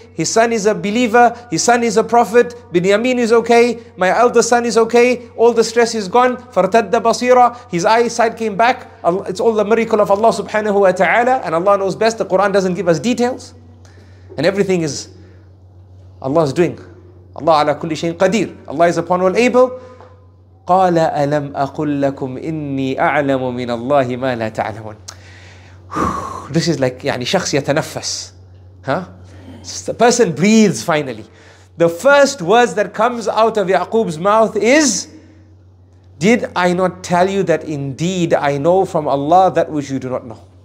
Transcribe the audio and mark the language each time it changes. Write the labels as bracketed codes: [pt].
[en] His son is a believer. His son is a prophet. Binyamin is okay. My elder son is okay. All the stress is gone. [ar] فَرْتَدَّ basira. [en] His eyesight came back. It's all the miracle of Allah subhanahu wa ta'ala. And Allah knows best. The Quran doesn't give us details. And everything is Allah's doing. [ar] Allah ala kulli shayin qadir. [en] Allah is upon all able. [ar] قال ألم أقول لكم إني أعلم من الله ما لا تعلمون. [en] This is like [ar] يعني شخص يتنفس, [en] huh? The person breathes finally. The first words that comes out of Yaqub's mouth is, "Did I not tell you that indeed I know from Allah that which you do not know?"